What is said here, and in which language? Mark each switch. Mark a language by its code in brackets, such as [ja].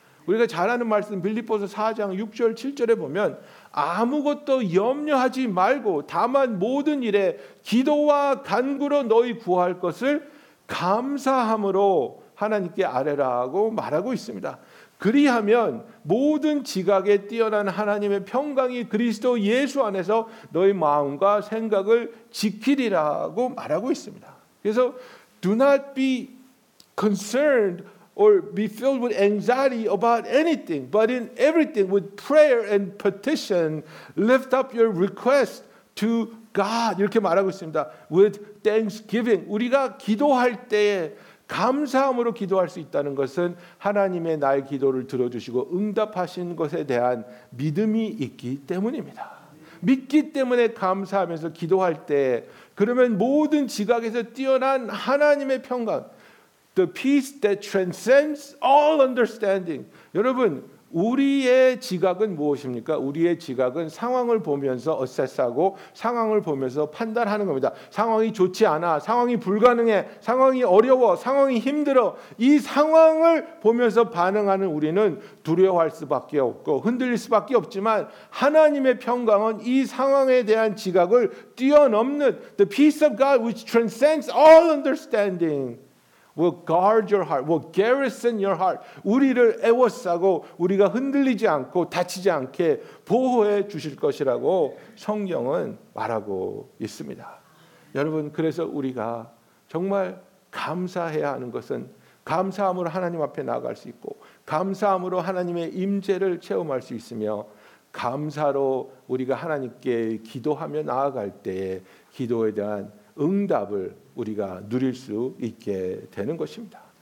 [ko] 우리가 잘 아는 말씀 빌립보서 4장 6절 7절에 보면 아무것도 염려하지 말고 다만 모든 일에 기도와 간구로 너희 구할 것을 감사함으로 하나님께 아뢰라고 말하고 있습니다. 그리하면 모든 지각에 뛰어난 하나님의 평강이 그리스도 예수 안에서 너희 마음과 생각을 지키리라고 말하고 있습니다. [en] 그래서 do not be concerned or be filled with anxiety about anything, but in everything with prayer and petition, lift up your request to God. [ko] 이렇게 말하고 있습니다. [en] With thanksgiving, [ko] 우리가 기도할 때에 감사함으로 기도할 수 있다는 것은 하나님의 나의 기도를 들어주시고 응답하신 것에 대한 믿음이 있기 때문입니다. 믿기 때문에 감사하면서 기도할 때 그러면 모든 지각에서 뛰어난 하나님의 평강 [en] The peace that transcends all understanding [ko] 여러분 우리의 지각은 무엇입니까? 우리의 지각은 상황을 보면서 어세스하고 상황을 보면서 판단하는 겁니다. 상황이 좋지 않아, 상황이 불가능해, 상황이 어려워, 상황이 힘들어. 이 상황을 보면서 반응하는 우리는 두려워할 수밖에 없고 흔들릴 수밖에 없지만 하나님의 평강은 이 상황에 대한 지각을 뛰어넘는 [en] The peace of God which transcends all understanding. will guard your heart, will garrison your heart. [ko] 우리를 에워싸고 우리가 흔들리지 않고 다치지 않게 보호해 주실 것이라고 성경은 말하고 있습니다. 여러분 그래서 우리가 정말 감사해야 하는 것은 감사함으로 하나님 앞에 나아갈 수 있고 감사함으로 하나님의 임재를 체험할 수 있으며 감사로 우리가 하나님께 기도하며 나아갈 때에 기도에 대한 응답을 우리가 누릴 수 있게 되는 것입니다.